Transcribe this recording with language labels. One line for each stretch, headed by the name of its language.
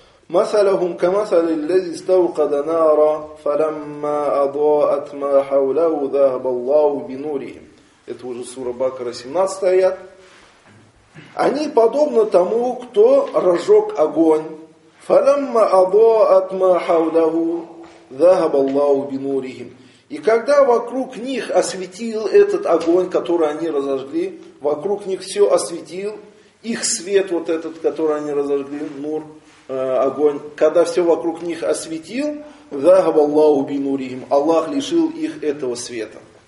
Arabic: مثلهم كمثل الذي استوقد نارا فلما أضاءت ما حوله ذهب الله بنورهم.
Russian: Это уже сура Бакара 17 аят. Они подобны тому, кто разжег огонь.
Arabic: فلما أضاءت ما حوله ذهب الله بنورهم.
Russian: И когда вокруг них осветил этот огонь, который они разожгли, вокруг них все осветил, их свет вот этот, который они разожгли, нур. Огонь, когда все вокруг них осветил,
Arabic: «Загаваллаху бинурихим»,
Russian: Аллах лишил их этого света.